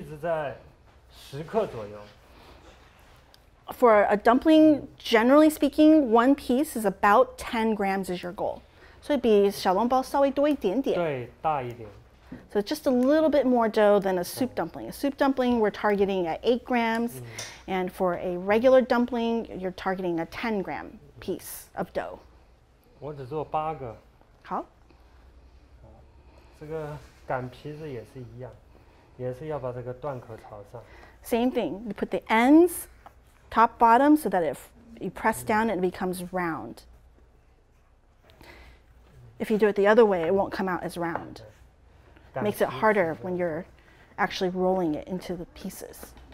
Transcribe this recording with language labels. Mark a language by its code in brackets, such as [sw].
[zh] 水饺一般它的剂子在10克左右。 [en] For a dumpling, generally speaking, one piece is about 10 grams is your goal. [zh] 所以比小笼包稍微多一点点。对，大一点。 [en] So just a little bit more dough than a soup dumpling. A soup dumpling, we're targeting at 8 grams, and for a regular dumpling, you're targeting a 10 gram piece of dough. [zh] 我只做8个。好。这个擀皮子也是一样，也是要把这个断口朝上。Same [en] thing. You put the ends top bottom so that if you press down, it becomes round. If you do it the other way, it won't come out as round. It makes it harder when you're actually rolling it into the pieces.